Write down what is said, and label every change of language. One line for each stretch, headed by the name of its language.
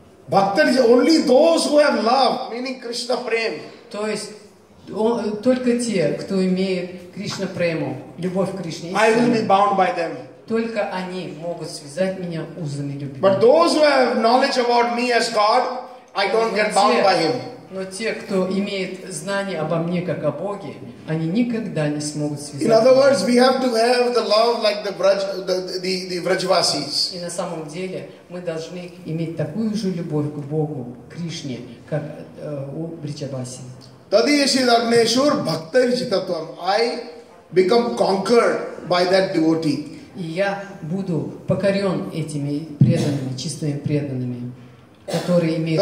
English: Bhaktar, only those who have love, meaning Krishna prem.
Russian: То есть, только те, кто имеет Кришна прему, любовь к Кришне.
English: I will be bound by them.
Russian: Только они могут связать меня узами любви.
English: But those who have knowledge about me as God, I don't get bound by him.
Russian: Но те, кто имеет знание обо мне как о Боге, они никогда не смогут связать.
English: In other words, we have to have the love like the Vrajvasis.
Russian: И на самом деле мы должны иметь такую же любовь к Богу, к Кришне, как у Вриджаваси.
Sanskrit: Tadi ishit agneshur bhaktai jitatvam.
English: I become conquered by that devotee.
Russian: И я буду покорен этими преданными, чистыми преданными, которые имеют.